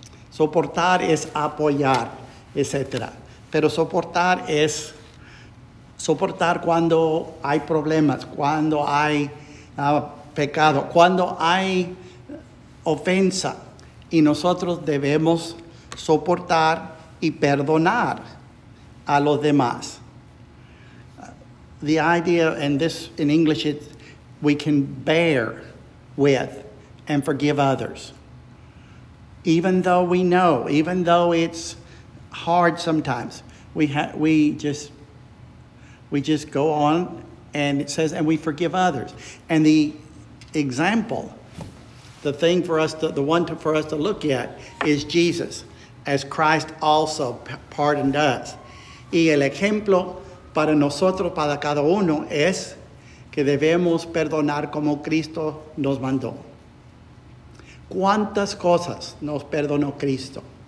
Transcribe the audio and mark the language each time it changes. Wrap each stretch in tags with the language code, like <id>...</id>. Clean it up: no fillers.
<es>Soportar es apoyar, etc. Pero soportar es soportar cuando hay problemas, cuando hay pecado, cuando hay ofensa. Y nosotros debemos soportar y perdonar a los demás.</es> <en>The idea, and this in English, it's we can bear with and forgive others. Even though we know, even though it's hard sometimes, we just go on, and it says, and we forgive others. And the example, the one for us to look at is Jesus, as Christ also pardoned us.</en> <es>Y el ejemplo para nosotros, para cada uno, es que debemos perdonar como Cristo nos mandó. ¿Cuántas cosas nos perdonó Cristo?</es>